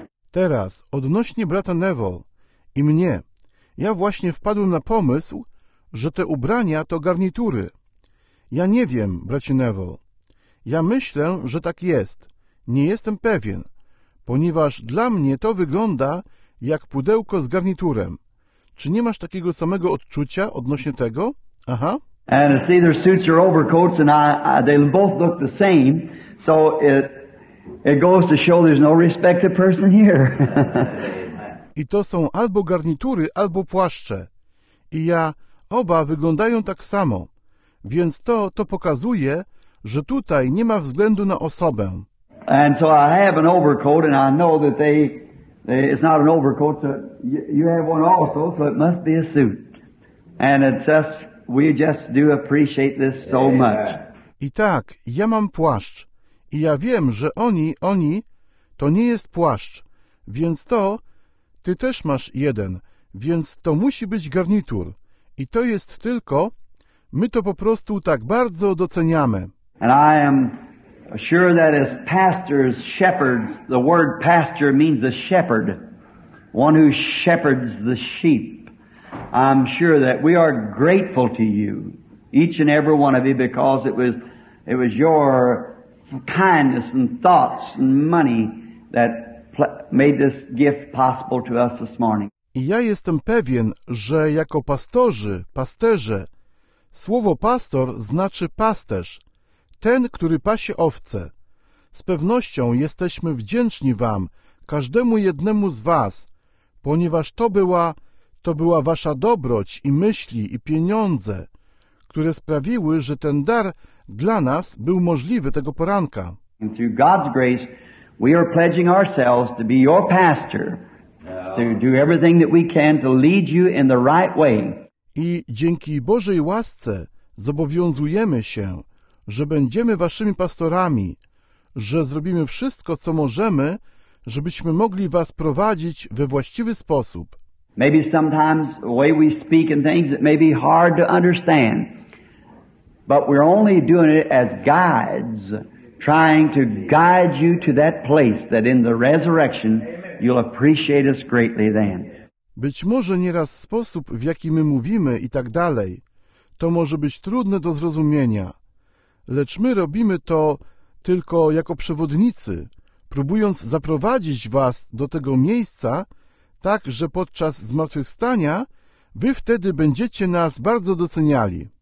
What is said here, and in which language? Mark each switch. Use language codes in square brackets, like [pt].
[pl] Teraz, odnośnie brata Neville i mnie, ja właśnie wpadłem na pomysł, że te ubrania to garnitury. Ja nie wiem, bracie Neville. Ja myślę, że tak jest. Nie jestem pewien, ponieważ dla mnie to wygląda jak pudełko z garniturem. Czy nie masz takiego samego odczucia odnośnie tego? Aha. [en] And it's either suits or overcoats, and they both look the same, so it goes to show there's no respected person here. [pl] I to są albo garnitury, albo płaszcze. I ja, oba wyglądają tak samo. Więc to pokazuje, że tutaj nie ma względu na osobę. [en] And so I have an overcoat and I know that they it's not an overcoat, so you have one also, so it must be a suit. And it's just, we just do appreciate this so much. [pl] I tak, ja mam płaszcz I ja wiem, że oni, to nie jest płaszcz, więc to, ty też masz jeden, więc to musi być garnitur. I to jest tylko, my to po prostu tak bardzo doceniamy. [en] And I am sure that as pastors, shepherds, the word pastor means a shepherd, one who shepherds the sheep. I'm sure that we are grateful to you, each and every one of you, because it was your kindness and thoughts and money that made this gift possible to us this morning. [pl] I ja jestem pewien, że jako pasterze, słowo pastor znaczy pasterz, ten, który pasie owce. Z pewnością jesteśmy wdzięczni wam, każdemu jednemu z was, ponieważ to była wasza dobroć i myśli i pieniądze, które sprawiły, że ten dar dla nas był możliwy tego poranka. [en] And through God's grace, we are pledging ourselves to be your pastor, to do everything that we can to lead you in the right way. [pl] I dzięki Bożej łasce zobowiązujemy się, że będziemy waszymi pastorami, że zrobimy wszystko, co możemy, żebyśmy mogli was prowadzić we właściwy sposób. [en] Maybe sometimes the way we speak and things, it may be hard to understand. But we're only doing it as guides, trying to guide you to that place that in the resurrection you'll appreciate us greatly then. [pl] Być może nieraz sposób, w jaki my mówimy i tak dalej, to może być trudne do zrozumienia. Lecz my robimy to tylko jako przewodnicy, próbując zaprowadzić was do tego miejsca, tak, że podczas zmartwychwstania wy wtedy będziecie nas bardzo doceniali.